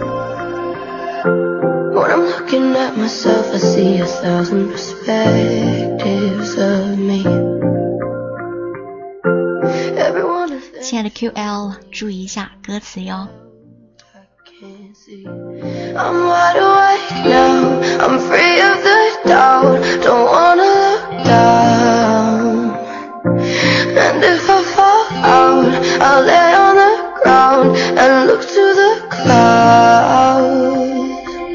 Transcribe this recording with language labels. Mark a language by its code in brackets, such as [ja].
[en] When I'm looking at myself, I see a thousand perspectives of me. Everyone is there. [zh] 亲爱的 QL， 注意一下歌词哟。 [en] I'm wide awake now, I'm free of the doubt, don't wanna look down. And if I fall out, I'll lay on the ground and look to the clouds.